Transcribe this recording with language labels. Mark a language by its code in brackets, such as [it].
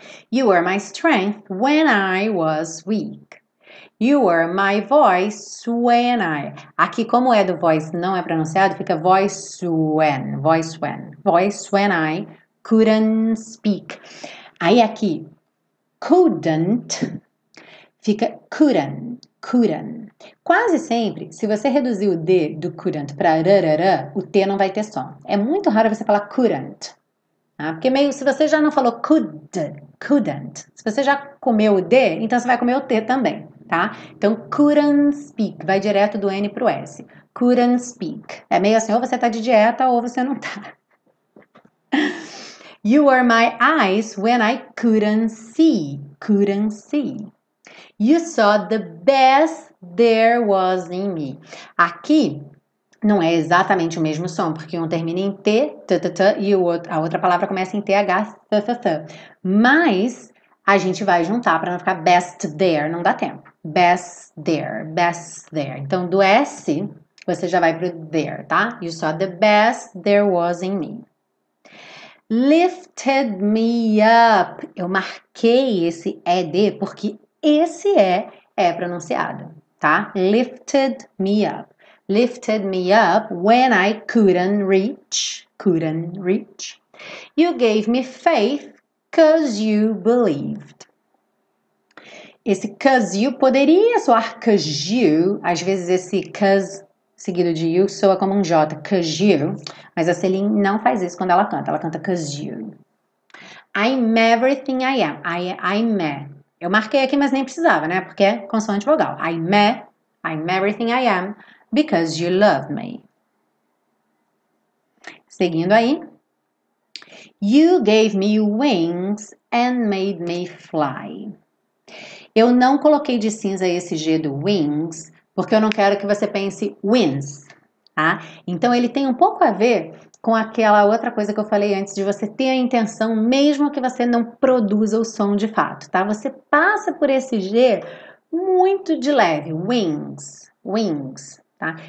[en] You were my strength when I was weak. You were my voice when I. [pt] Aqui, como é do voice, não é pronunciado, fica voice when. [en] Voice when. Voice when I couldn't speak. [pt] Aí, aqui, [en] couldn't, fica couldn't. Couldn't. [pt] Quase sempre, se você reduzir o D do couldn't para rarara, o T não vai ter som. É muito raro você falar couldn't. Tá? Porque meio, se você já não falou couldn't, se você já comeu o D, então você vai comer o T também, tá? Então, couldn't speak, vai direto do N pro S. Couldn't speak. É meio assim, ou você tá de dieta ou você não tá. [en] You were my eyes when I couldn't see. Couldn't see. You saw the best there was in me. [pt] Aqui não é exatamente o mesmo som, porque um termina em T, t, t, t, e o outro, a outra palavra começa em TH, t, t, t. Mas a gente vai juntar para não ficar best there, não dá tempo. [en] Best there, best there. [pt] Então, do S, você já vai pro there, tá? [en] You saw the best there was in me. Lifted me up. [pt] Eu marquei esse ED porque esse E é pronunciado, tá? [en] Lifted me up. Lifted me up when I couldn't reach. Couldn't reach. You gave me faith because you believed. Esse cause you poderia soar cause you. [pt] Às vezes esse cause seguido de you soa como um J. Cause you. Mas a Celine não faz isso quando ela canta. Ela canta cause you. [en] I'm everything I am. I'm me. [pt] Eu marquei aqui, mas nem precisava, né? Porque é consoante vogal. [en] I'm everything I am. Because you love me. [pt] Seguindo aí. [en] You gave me wings and made me fly. [pt] Eu não coloquei de cinza esse G do wings, porque eu não quero que você pense wins, tá? Então ele tem um pouco a ver com aquela outra coisa que eu falei antes, de você ter a intenção, mesmo que você não produza o som de fato, tá? Você passa por esse G muito de leve, wings, wings, tá?